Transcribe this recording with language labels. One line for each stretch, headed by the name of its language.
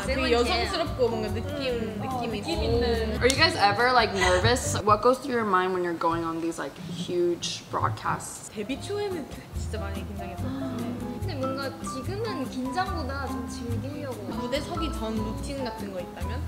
Korean: 여성스럽고 뭔가 느낌 있는.
English: Are you guys ever like nervous? What goes through your mind when you're going on these like huge broadcasts?
Korean: 데뷔 초에는 진짜 많이 긴장했었는데. 근데 뭔가 지금은 긴장보다 좀 즐기려고. 무대 서기 전 루틴 같은 거 있다면?